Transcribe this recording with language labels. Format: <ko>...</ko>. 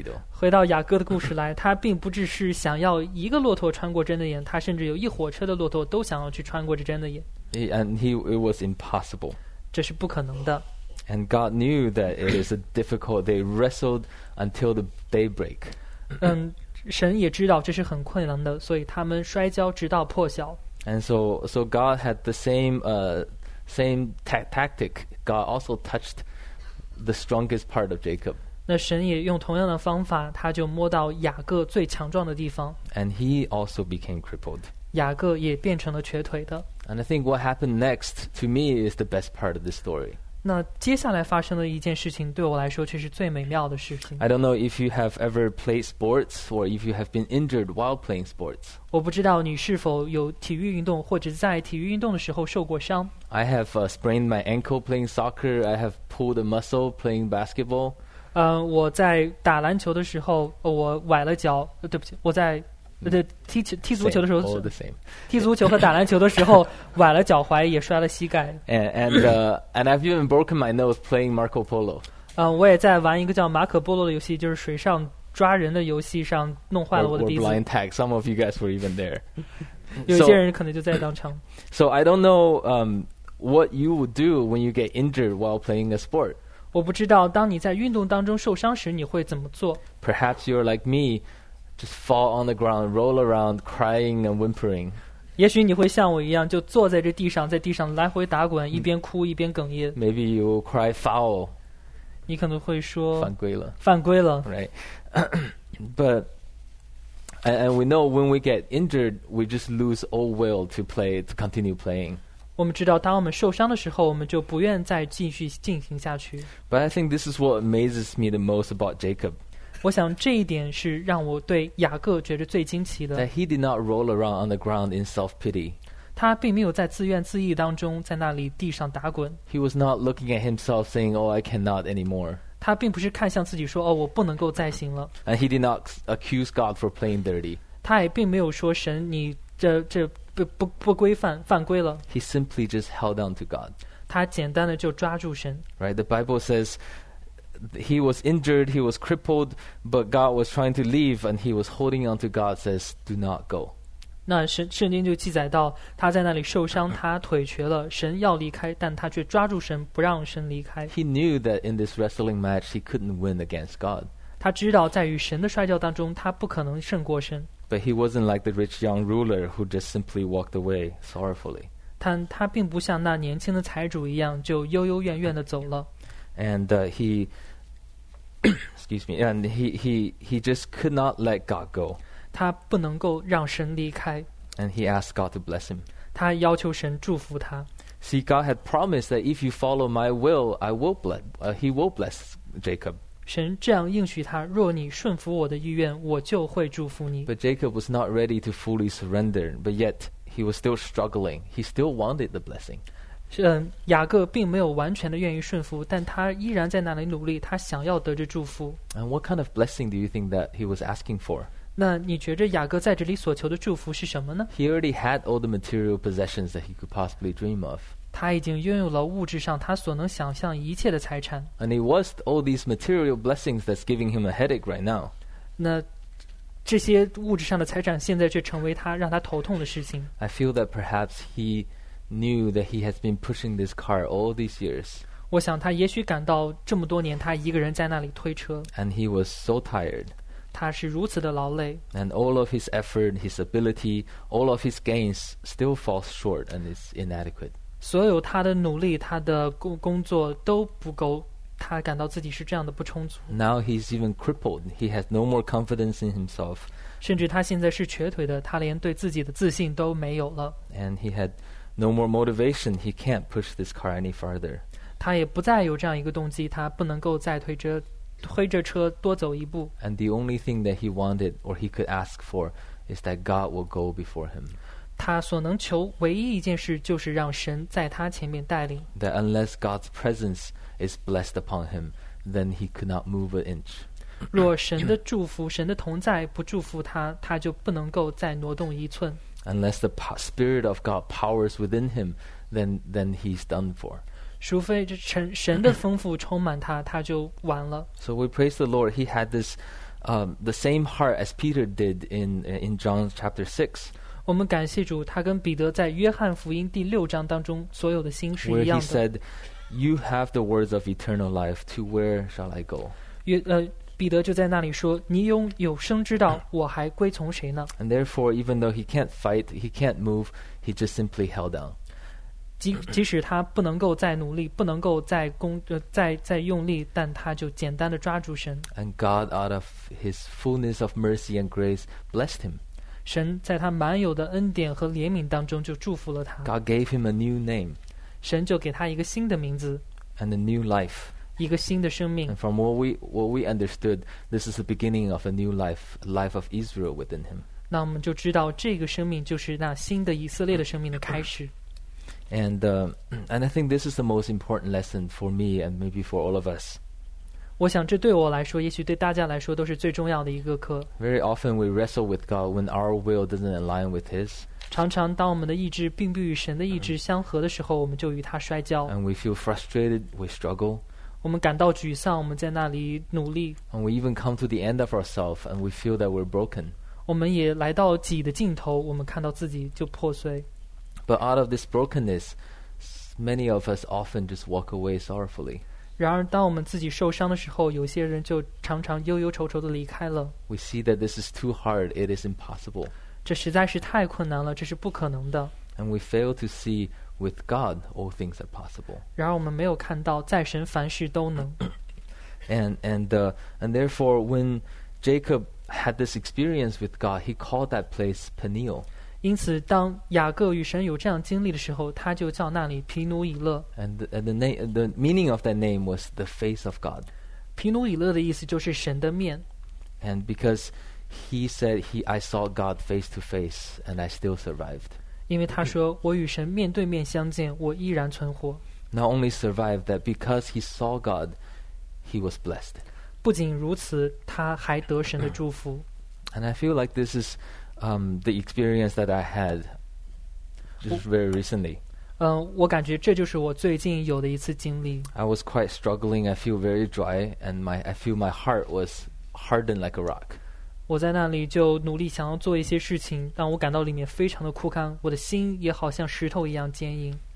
<zh>回到雅各的故事来，他并不只是想要一个骆驼穿过针的眼，他甚至有一火车的骆驼都想要去穿过这针的眼。</zh> <en>It was impossible.</en> <zh>这是不可能的。</zh> <en>And God knew that it is a difficult. They wrestled until the daybreak.</en> <zh>神也知道这是很困难的，所以他们摔跤直到破晓。</zh> <en>And so God had the same tactic. God also touched the strongest part of Jacob.</en> <zh>那神也用同样的方法，他就摸到雅各最强壮的地方。</zh> <en>And he also became crippled.</en> <zh>雅各也变成了瘸腿的。</zh> <en>And I think what happened next to me is the best part of this story.</en> <zh>那接下来发生的一件事情对我来说却是最美妙的事情。</zh> <en>I don't know if you have ever played sports or if you have been injured while playing sports.</en> <zh>我不知道你是否有体育运动或者在体育运动的时候受过伤。</zh> <en>I have sprained my ankle playing soccer. I have pulled a muscle playing basketball.</en> <zh>我在打篮球的时候，我崴了脚。对不起，我在踢足球的时候，</zh> <en>same, all the same.</en> <zh>踢足球和打篮球的时候崴了脚踝，也摔了膝盖。</zh> <en>And I've even broken my nose playing Marco Polo.</en> <zh>我也在玩一个叫马可波罗的游戏，就是水上抓人的游戏上弄坏了我的鼻子。</zh> <en>Or blind tag. Some of you guys were even there.</en> <zh>有些人可能就在当场。</zh> <en>So I don't know what you would do when you get injured while playing a sport.</en> <zh>我不知道当你在运动当中受伤时你会怎么做。</zh> <en>Perhaps you're like me, just fall on the ground, roll around, crying and whimpering.</en> <zh>也许你会像我一样，就坐在这地上，在地上来回打滚，一边哭一边哽咽。</zh> <en>Maybe you will cry foul.</en> <zh>你可能会说犯规了，犯规了。</zh> <en>Right, but and we know when we get injured, we just lose all will to play to continue playing.</en> <zh>我们知道当我们受伤的时候我们就不愿再继续进行下去。</zh> <en>But I think this is what amazes me the most about Jacob.</en> <zh>我想这一点是让我对雅各觉得最惊奇的。</zh> <en>That he did not roll around on the ground in self-pity.</en> <zh>他并没有在自怨自艾当中在那里地上打滚。</zh> <en>He was not looking at himself saying, "Oh, I cannot anymore."</en> <zh>他并不是看向自己说，哦，我不能够再行了。</zh> <en>And he did not accuse God for playing dirty.</en> <zh>他也并没有说神你这不规范犯规了。</zh> <en>He simply just held on to God.</en> <zh>他简单的就抓住神。</zh> <en>Right, the Bible says. He was injured, he was crippled, but God was trying to leave, and he was holding on to God, says, do not go.</en> <zh>那圣经就记载到他在那里受伤，他腿瘸了，神要离开，但他却抓住神，不让神离开。</zh> <en>He knew that in this wrestling match, he couldn't win against God.</en> <zh>他知道在与神的摔跤当中，他不可能胜过神。</zh> <en>But he wasn't like the rich young ruler who just simply walked away sorrowfully.</en> <zh>他并不像那年轻的财主一样，就悠悠怨怨地走了。</zh> <en>And he, excuse me, and he just could not let God go.</en> <zh>他不能够让神离开。</zh> <en>And he asked God to bless him.</en> <zh>他要求神祝福他。</zh> <en>See, God had promised that if you follow my will, I will bless, he will bless Jacob.</en> <zh>神这样应许他，若你顺服我的意愿，我就会祝福你。</zh> <en>But Jacob was not ready to fully surrender, but yet he was still struggling. He still wanted the blessing.</en> <zh>雅各并没有完全的愿意顺服，但他依然在那里努力，他想要得着祝福。</zh> <en>And what kind of blessing do you think that he was asking for?</en> <zh>那你觉得雅各在这里所求的祝福是什么呢？</zh> <en>He already had all the material possessions that he could possibly dream of.</en> <zh>他已经拥有了物质上他所能想象一切的财产。</zh> <en>And it was all these material blessings that's giving him a headache right now.</en> <zh>那这些物质上的财产现在却成为他让他头痛的事情。</zh> <en>I feel that perhaps he... knew that he has been pushing this car all these years.</en> <zh>我想他也许感到这么多年他一个人在那里推车。</zh> <en>And he was so tired.</en> <zh>他是如此的劳累。</zh> <en>And all of his effort, his ability, all of his gains still falls short and is inadequate.</en> <zh>所有他的努力他的工作都不够他感到自己是这样的不充足。</zh> <en>Now he's even crippled. He has no more confidence in himself.</en> <zh>甚至他现在是瘸腿的他连对自己的自信都没有了。</zh> <en>And he had... No more motivation. He can't push this car any further.</en> <zh>他也不再有这样一个动机，他不能够再推着车多走一步。</zh> <en>And the only thing that he wanted or he could ask for is that God will go before him.</en> <zh>他所能求唯一一件事就是让神在他前面带领。</zh> <en>That unless God's presence is blessed upon him, then he could not move an inch.</en> <zh>若神的祝福、神的同在不祝福他，他就不能够再挪动一寸。</zh> <en>Unless the Spirit of God powers within him, then he's done for.</en> <zh>除非神的丰富充满他，他就完了。</zh> <en>So we praise the Lord. He had this, the same heart as Peter did in John chapter 6.</en> <zh>我们感谢主，他跟彼得在约翰福音第六章当中所有的心是一样的。</zh> <en>Where he said, "You have the words of eternal life. To where shall I go?"</en> <zh>彼得就在那里说你拥有生之道我还归从谁呢</zh> <en>And therefore even though he can't fight he can't move he just simply held on</en> <zh>即使他不能够再努力不能够再用力但他就简单地抓住神</zh> <en>And God out of his fullness of mercy and grace blessed him</en> <zh>神在他满有的恩典和怜悯当中就祝福了他</zh> <en>God gave him a new name</en> <zh>神就给他一个新的名字</zh> <en>And a new life</en> <zh>一个新的生命</zh> <en>And from what we understood, this is the beginning of a new life, life of Israel within him.</en> <zh>那我们就知道这个生命就是那新的以色列的生命的开始。</zh> <en>And I think this is the most important lesson for me and maybe for all of us.</en> <zh>我想这对我来说，也许对大家来说都是最重要的一个课。</zh> <en>Very often we wrestle with God when our will doesn't align with His.</en> <zh>常常当我们的意志并不与神的意志相合的时候，我们就与他摔跤。</zh> <en>And we feel frustrated, we struggle.</en> <zh>我们感到沮丧，我们在那里努力。</zh> <en>And we even come to the end of ourselves, and we feel that we're broken.</en> <zh>我们也来到己的尽头，我们看到自己就破碎。</zh> <en>But out of this brokenness, many of us often just walk away sorrowfully.</en> <zh>然而，当我们自己受伤的时候，有些人就常常忧忧愁愁地离开了。</zh> <en>We see that this is too hard. It is impossible.</en> <zh>这实在是太困难了，这是不可能的。</zh> <en>And we fail to see. With God, all things are possible.</en> <zh>然而我们没有看到，在神凡事都能。</zh> <en>And therefore, when Jacob had this experience with God, he called that place Peniel.</en> <zh>因此，当雅各与神有这样经历的时候，他就叫那里皮努以勒。</zh> <en>And the meaning of that name was the face of God.</en> <zh>皮努以勒的意思就是神的面。</zh> <en>And because he said I saw God face to face and I still survived.</en> <zh>因为他说我与神面对面相见，我依然存活。</zh> <en>Not only survived that, because he saw God, he was blessed.</en> <zh>不仅如此，他还得神的祝福。</zh> <en>And I feel like this is the experience that I had just very recently.</en> <zh>我感觉这就是我最近有的一次经历。</zh> <en>I was quite struggling, I feel very dry, and I feel my heart was hardened like a rock.</en> <zh>我在那里就努力想要做一些事情，但我感到里面非常的枯干，我的心也好像石头一样坚硬。</zh>